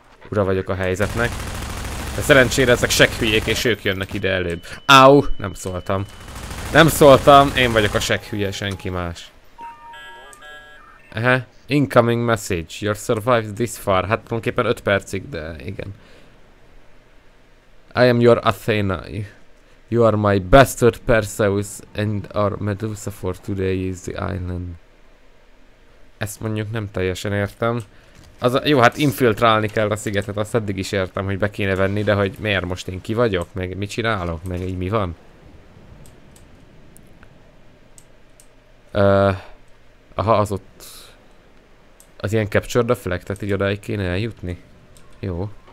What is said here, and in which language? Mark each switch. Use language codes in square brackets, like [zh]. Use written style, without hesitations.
[hu] Ura vagyok a helyzetnek. De szerencsére ezek sekhülyék, és ők jönnek ide előbb. Áú, nem szóltam. Nem szóltam, én vagyok a sekhülye, senki más. [en] Ehe, incoming message. You survived this far. [hu] Hát tulajdonképpen 5 percig, de igen. [en] I am your Athena. You are my bastard Perseus and our Medusa for today is the island. [hu] Ezt mondjuk nem teljesen értem. Az a, jó, hát infiltrálni kell a szigetet, azt eddig is értem, hogy be kéne venni, de hogy miért most én ki vagyok, meg mit csinálok, meg így mi van? Aha, az ott... Az ilyen capture the flag, tehát így odáig kéne eljutni. Jó.